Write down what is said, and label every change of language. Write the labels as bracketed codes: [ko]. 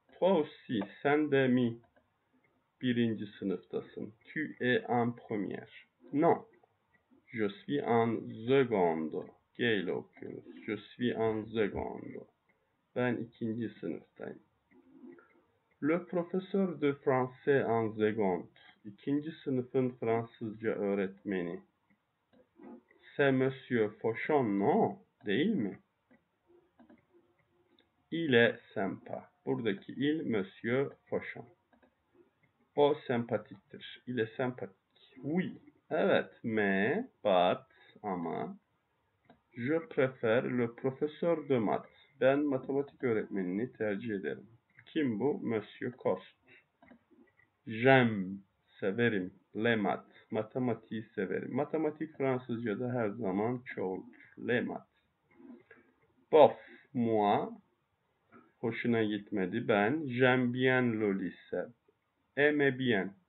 [fr] Toi aussi. [tr] Sen de mi? Birinci sınıftasın. [fr] Tu es en première. Non. Je suis en seconde. [tr] Gel okuyoruz. [fr] Je suis en seconde. [tr] Ben ikinci sınıftayım. [fr] Le professeur de français en seconde. [tr] İkinci sınıfın Fransızca öğretmeni. [fr] C'est Monsieur Fauchon, non? [tr] Değil mi? [fr] Il est sympa. [tr] Buradaki il [fr] Monsieur Fauchon. [tr] O sempatiktir. [fr] Il est sympathique. Oui. Evet, mais, but, ama, je préfère le professeur de maths. [tr] Ben matematik öğretmenini tercih ederim. Kim bu? [fr] Monsieur Coste. J'aime, severim, le maths, [tr] matematiği severim. Matematik Fransızca'da her zaman çoğuldur, [fr] le maths. Bof, moi, [tr] hoşuna gitmedi, [fr] ben, j'aime bien le lycée, aime bien.